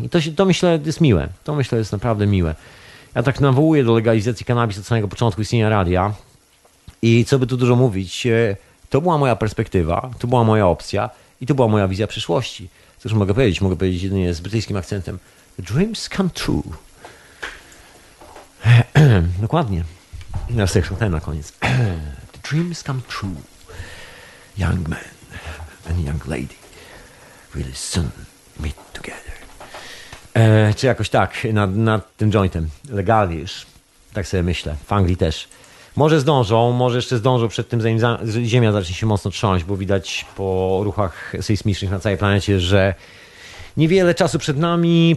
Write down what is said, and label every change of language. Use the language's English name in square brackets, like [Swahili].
[Polish] I to myślę, jest miłe. To myślę, jest naprawdę miłe. Ja tak nawołuję do legalizacji kanabis od samego początku istnienia radia i co by tu dużo mówić, to była moja perspektywa, to była moja opcja i to była moja wizja przyszłości. Cóż mogę powiedzieć? Mogę powiedzieć jedynie z brytyjskim akcentem. [English] Dreams come true. [Polish] Dokładnie. Ja sobie chciałem na koniec. [English] The dreams come true. Young man and young lady will soon meet together. [Polish] Czy jakoś tak, nad tym jointem. Legalnie już, tak sobie myślę. W Anglii też. Może zdążą, może jeszcze zdążą przed tym, zanim ziemia zacznie się mocno trząść, bo widać po ruchach sejsmicznych na całej planecie, że niewiele czasu przed nami.